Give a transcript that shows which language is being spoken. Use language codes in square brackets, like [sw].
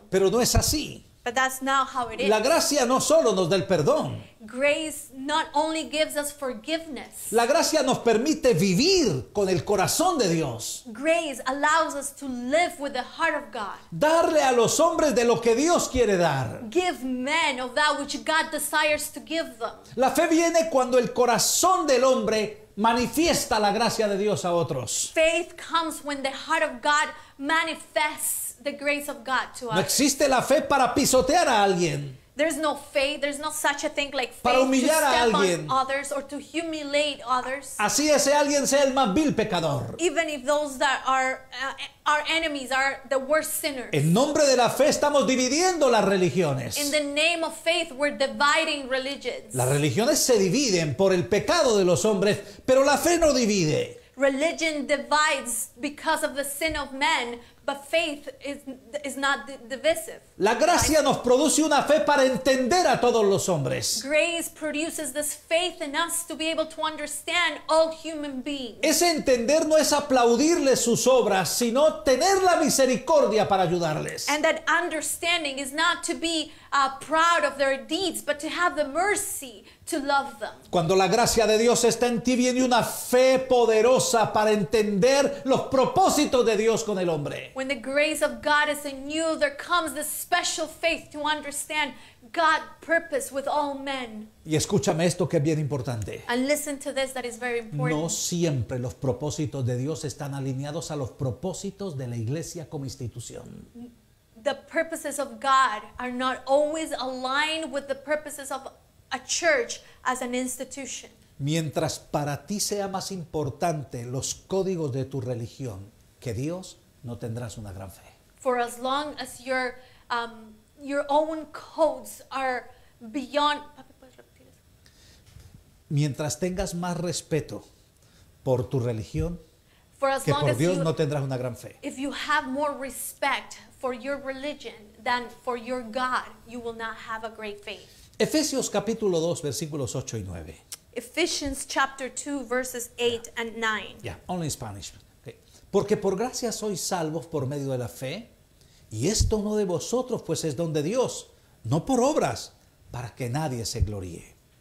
[es] Pero no es así. [en] But that's not how it is. [es] La gracia no solo nos da el perdón. [en] Grace not only gives us forgiveness. [es] La gracia nos permite vivir con el corazón de Dios. [en] Grace allows us to live with the heart of God. [es] Darle a los hombres de lo que Dios quiere dar. [en] Give men of that which God desires to give them. [es] La fe viene cuando el corazón del hombre manifiesta la gracia de Dios a otros. [en] Faith comes when the heart of God manifests the grace of God to us. [es] No existe la fe para pisotear a alguien. [en] There's no faith. There's no such a thing like faith. [es] Para humillar [en] to step [es] a alguien. [en] On others or to humiliate others. [es] Así ese alguien sea el más vil pecador. [en] Even if those that are our enemies are the worst sinners. [es] En nombre de la fe estamos dividiendo las religiones. [en] In the name of faith we're dividing religions. [es] Las religiones se dividen por el pecado de los hombres, pero la fe no divide. [en] Religion divides because of the sin of men, But faith is not divisive. [es] La gracia nos produce una fe para entender a todos los hombres. [en] Grace produces this faith in us to be able to understand all human beings. [es] Ese entender no es aplaudirles sus obras, sino tener la misericordia para ayudarles. [en] And that understanding is not to be proud of their deeds, but to have the mercy to love them. [es] Cuando la gracia de Dios está en ti, viene una fe poderosa para entender los propósitos de Dios con el hombre. [en] When the grace of God is in you, there comes this special faith to understand God's purpose with all men. [es] Y escúchame esto que es bien importante. [en] And listen to this, that is very important. [es] No siempre los propósitos de Dios están alineados a los propósitos de la iglesia como institución. [en] The purposes of God are not always aligned with the purposes of a church as an institution. [es] Mientras para ti sea más importante los códigos de tu religión que Dios, no tendrás una gran fe. [en] For as long as your own codes are beyond... [es] Papi, ¿puedes repetir eso? Mientras tengas más respeto por tu religión que por Dios, no tendrás una gran fe. [en] If you have more respect for your religion than for your God, you will not have a great faith. [es] Efesios capítulo 2, versículos 8 y 9. [en] Ephesians chapter 2, verses 8 and 9. Yeah, only in Spanish. Okay. [es] Porque por gracia sois salvos por medio de la fe, y esto no de vosotros, pues es don de Dios, no por obras, para que nadie se gloríe.